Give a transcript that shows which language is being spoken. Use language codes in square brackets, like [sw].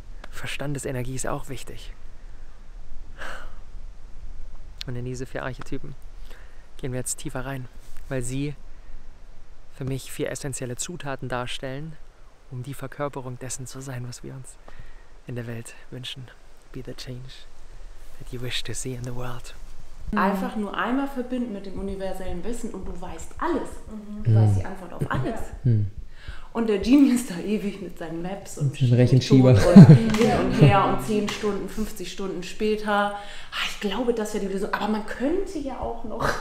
[de] Verstandesenergie ist auch wichtig. Und in diese vier Archetypen gehen wir jetzt tiefer rein, weil sie für mich vier essentielle Zutaten darstellen, um die Verkörperung dessen zu sein, was wir uns in der Welt wünschen. [en] Be the change that you wish to see in the world. [de] Einfach nur einmal verbinden mit dem universellen Wissen und du weißt alles. Mhm. Du weißt die Antwort auf alles. Ja. Und der Genius da ewig mit seinen Maps und den Rechenschieber hin und her und 10 Stunden, 50 Stunden später. Ach, ich glaube, das wäre die Lösung. Aber man könnte ja auch noch.